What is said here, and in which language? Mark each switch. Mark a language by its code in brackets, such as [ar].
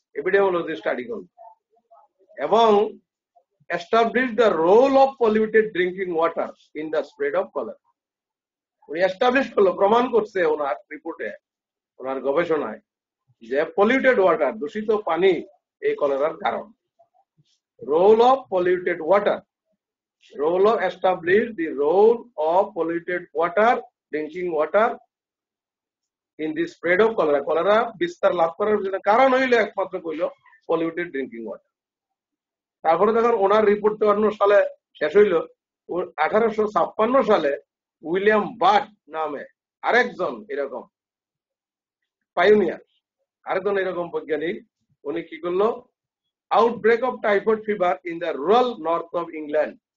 [en] epidemiology study [bn] করবে এবং [en] establish the role of polluted drinking water in the spread of cholera. [bn] উনি establish করলো, প্রমাণ করছে ওনার রিপোর্টে, ওনার গবেষণায়, যে polluted water, দূষিত পানি এই কলেরার কারণ. [en] Role of polluted water. Role of establish the role of polluted water, drinking water, in the spread of cholera. [bn] Cholera বিস্তার লাভ করার জন্য কারণ হইলো একমাত্র কইলো polluted drinking water. তারপরে দেখেন ওনার রিপোর্ট তো সালে শেষ হইল, 1856 সালে উইলিয়াম বাট নামে আরেকজন এরকম পায়োনিয়ার, আরেকজন এরকম বৈজ্ঞানিক, উনি কি করলো, outbreak of typhoid fever in the rural north of England.